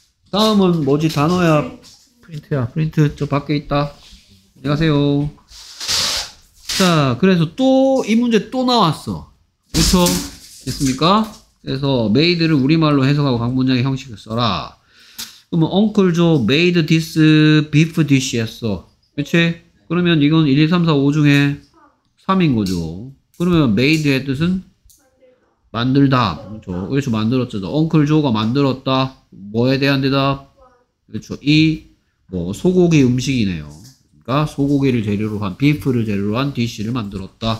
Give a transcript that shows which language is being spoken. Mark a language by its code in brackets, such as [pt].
[ko] 다음은 뭐지? 단어야? 프린트야. 프린트 저 밖에 있다. 안녕하세요. 자, 그래서 또 이 문제 또 나왔어. 그렇죠? 됐습니까? 그래서 메이드를 우리말로 해석하고 각문장의 형식을 써라. 그러면 [en] Uncle Joe made this beef dish [ko] 했어. 그렇지? 그러면 이건 1, 2, 3, 4, 5 중에 3인 거죠. 그러면 made의 뜻은 만들다. 그렇죠. 그렇죠. 만들었죠. Uncle Joe가 만들었다. 뭐에 대한 대답? 그렇죠. 이 뭐 소고기 음식이네요. 그러니까 소고기를 재료로 한 비프를 재료로 한 디쉬를 만들었다.